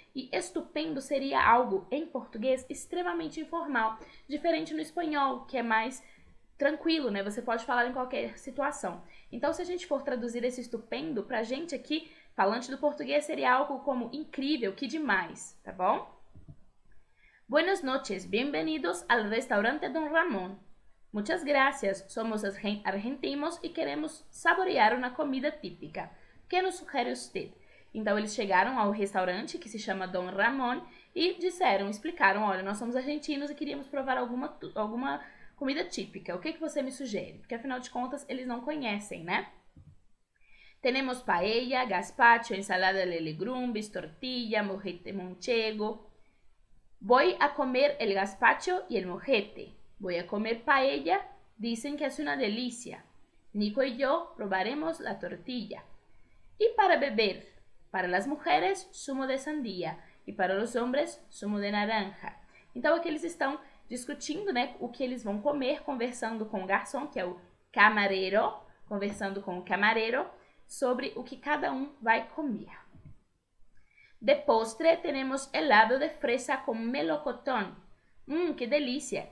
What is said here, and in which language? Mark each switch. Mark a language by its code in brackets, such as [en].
[pt] E estupendo seria algo em português extremamente informal, diferente no espanhol, que é mais tranquilo, né? Você pode falar em qualquer situação. Então, se a gente for traduzir esse estupendo para a gente aqui, falante do português, seria algo como incrível, que demais, tá bom? Bom, [es] Buenas noches, bienvenidos al restaurante Don Ramón. Muchas gracias, somos argentinos y queremos saborear una comida típica. ¿Qué nos sugiere usted? [pt] Então eles chegaram ao restaurante que se chama Don Ramon e disseram, explicaram: olha, nós somos argentinos e queríamos provar alguma comida típica. O que que você me sugere? Porque afinal de contas eles não conhecem, né? [es] Temos paella, gazpacho, ensalada de legumes, tortilla, mojete manchego. Voy a comer el gazpacho y el mojete. Voy a comer paella. Dicen que es una delicia. Nico y yo probaremos la tortilla. Y para beber, para las mujeres, zumo de sandía. Y para los hombres, zumo de naranja. [pt] Então, aqui eles estão discutindo, né, o que eles vão comer, conversando com o garçom, que é o camarero, conversando com o camarero, sobre o que cada um vai comer. [es] De postre, temos helado de fresa com melocotón. Que delícia!